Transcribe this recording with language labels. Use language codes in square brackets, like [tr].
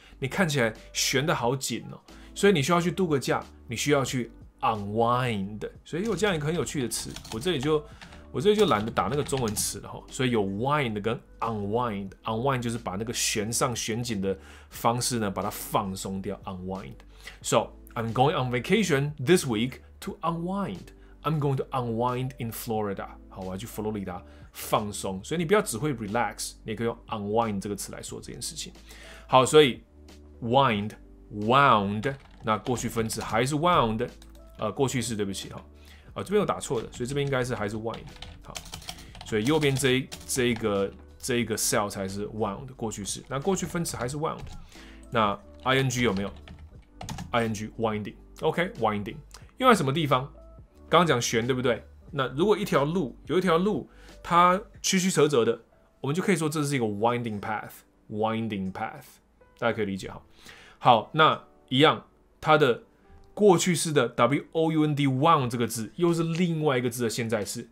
[zh] 你看起来旋得好紧哦，所以你需要去度个假，你需要去 unwind. 所以有这样一个很有趣的词，我这里就懒得打那个中文词了哈，所以有 wind 跟 unwind. Unwind 就是把那个旋上旋紧的方式呢，把它放松掉 ，unwind. [en] So. I'm going on vacation this week to unwind. I'm going to unwind in Florida. [zh] 好，我要去佛罗里达放松。所以你不要只会 relax， 你也可以用 unwind 这个词来说这件事情。好，所以 wind, wound， 那过去分词还是 wound， 过去式，对不起哈，这边有打错的，所以这边应该是还是 wind。好，所以右边这个 cell 才是 wound 过去式，那过去分词还是 wound， 那 ing 有没有？ ing winding， OK winding， 用在什么地方？刚刚讲旋，对不对？那如果一条路有一条路，它曲曲折折的，我们就可以说这是一个 winding path， winding path， 大家可以理解哈。好，那一样，它的过去式的 w o u n d wound 这个字，又是另外一个字的现在式。